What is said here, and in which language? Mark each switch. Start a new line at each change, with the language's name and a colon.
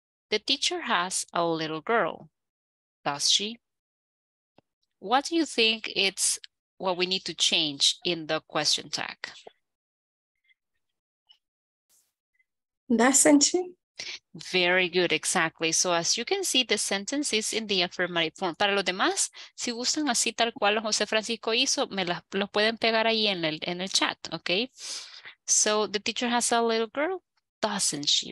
English: The teacher has a little girl, does she? What do you think it's what we need to change in the question tag? Doesn't she? Very good, exactly. So as you can see, the sentence is in the affirmative form.
Spanish: Para los demás, si gustan así tal cual José Francisco hizo, me lo pueden pegar ahí en el chat, okay?
English: So the teacher has a little girl, doesn't she?